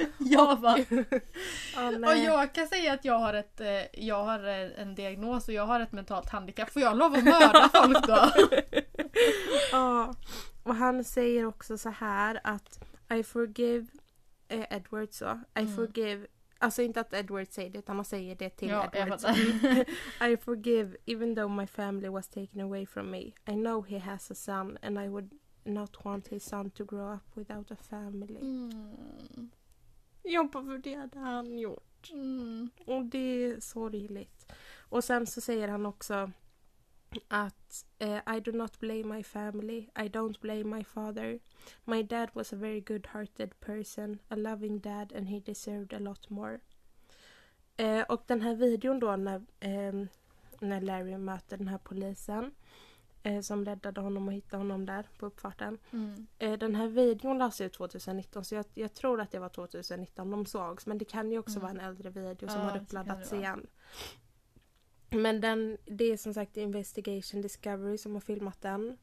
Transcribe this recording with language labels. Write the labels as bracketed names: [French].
[Swedish] Jag bara, och jag kan säga att jag har en diagnos och jag har ett mentalt handikapp. Får jag lov att mörda folk då? Ja, och han säger också så här att [English] I forgive Edward, [Swedish] så [English] I forgive. [Swedish] Alltså inte att Edward säger det, utan man säger det till Edward. [English] I forgive, even though my family was taken away from me. I know he has a son, and I would not want his son to grow up without a family. Mm. [Swedish] jobba för det hade han gjort. Mm. Och det är sorgligt. Och sen så säger han också att [English] I do not blame my family. I don't blame my father. My dad was a very good-hearted person. A loving dad and he deserved a lot more. [Swedish] Och den här videon då när Larry möter den här polisen som räddade honom och hittade honom där på uppfarten. Mm. Den här videon lades ju 2019 så jag tror att det var 2019 de sågs. Men det kan ju också vara en äldre video som har uppladdats igen. Men det är som sagt Investigation Discovery som har filmat den.